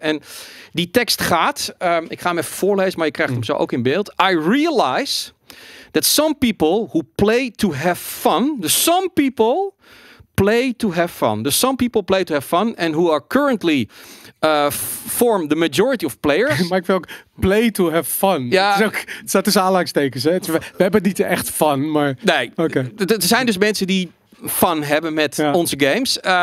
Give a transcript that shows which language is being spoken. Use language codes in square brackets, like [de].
[nl] En die tekst gaat, ik ga hem even voorlezen, maar je krijgt hem zo ook in beeld. [en] I realize that some people who play to have fun, some people play to have fun and who are currently form the majority of players. [nl] Maar ik wil ook [en] play to have fun. [nl] Ja. Het staat tussen aanhalingstekens. We hebben niet echt fun, maar... Nee, okay. Er zijn dus mensen die fun hebben met onze games.